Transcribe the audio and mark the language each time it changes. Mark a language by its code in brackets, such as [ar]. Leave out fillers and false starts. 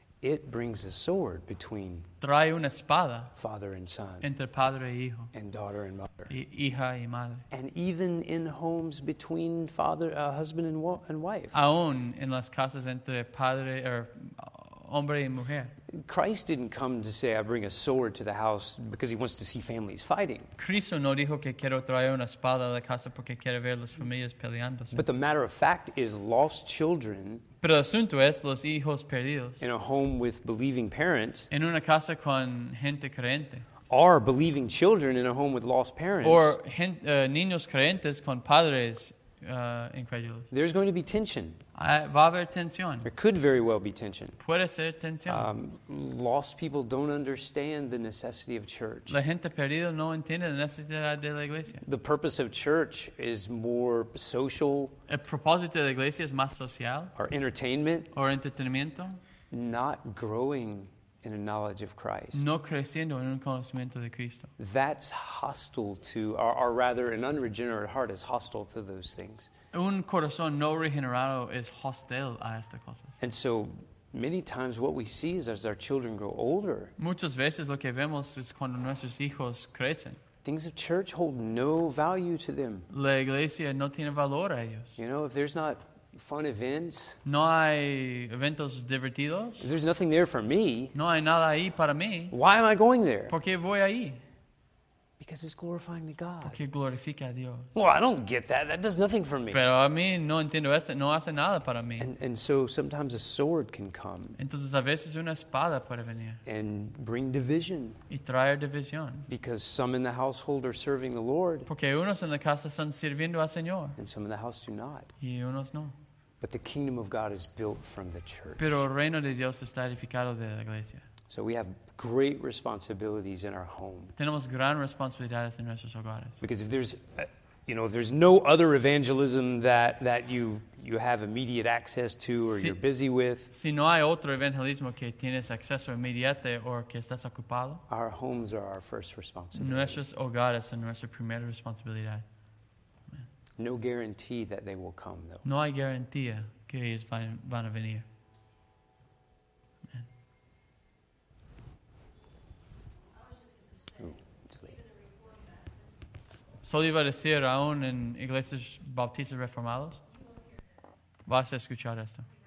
[en] It brings a sword between. [es] Trae una espada. [en] Father and son. [es] Entre padre e hijo. [en] And daughter and mother. [es] Hija y madre. [en] And even in homes between father, husband and wife. [es] Aún en las casas entre padre o hombre y mujer. [en] Christ didn't come to say, "I bring a sword to the house because he wants to see families fighting." [es] Cristo no dijo que quiero traer una espada a la casa porque quiero ver las familias peleándose. [en] But the matter of fact is, lost children. [es] Pero el asunto es los hijos perdidos. [en] In a home with believing parents. [es] En una casa con gente creyente. [en] Are believing children in a home with lost parents. [es] Or niños creyentes con padres incrédulos. [en] There's going to be tension. [es] Va a haber tensión. [en] There could very well be tension. [es] Puede ser tensión. [en] Lost people don't understand the necessity of church. [es] La gente perdida no entiende la necesidad de la iglesia. [en] The purpose of church is more social. [es] El propósito de la iglesia es más social. [en] Or entertainment. [es] Or entretenimiento. [en] Not growing in a knowledge of Christ. [es] No creciendo en un conocimiento de Cristo. [en] That's hostile to, or rather an unregenerate heart is hostile to those things. [es] Un corazón no regenerado es hostil a estas cosas. [en] And so many times what we see is as our children grow older. [es] Muchas veces lo que vemos es cuando nuestros hijos crecen. [en] Things of church hold no value to them. [es] La iglesia no tiene valor a ellos. [en] You know, if there's not fun events. [es] No hay eventos divertidos. [en] There's nothing there for me. [es] No hay nada ahí para mí. [en] Why am I going there? [es] ¿Por qué voy ahí? [en] Because it's glorifying to God. [es] Porque glorifica a Dios. [en] Well, I don't get that. That does nothing for me. [es] Pero a mí no entiendo eso. No hace nada para mí. [en] And so sometimes a sword can come. [es] Entonces a veces una espada puede venir. [en] And bring division. [es] Y traer división. [en] Because some in the household are serving the Lord. [es] Porque unos en la casa están sirviendo al Señor. [en] And some in the house do not. [es] Y unos no. [en] But the kingdom of God is built from the church. [es] Pero el reino de Dios está edificado de la iglesia. [en] So we have great responsibilities in our home. [es] Tenemos gran responsabilidades en nuestros hogares. [en] Because if there's, you know, if there's no other evangelism that you have immediate access to or si, you're busy with. [es] Si no hay otro evangelismo que tienes acceso inmediato o que estás ocupado. [en] Our homes are our first responsibility. [es] Nuestros hogares son nuestra primera responsabilidad. [en] No guarantee that they will come, though. [es] No hay garantía que ellos van a venir. Solo iba a decir aún en iglesias bautistas reformadas. Vas a escuchar esto.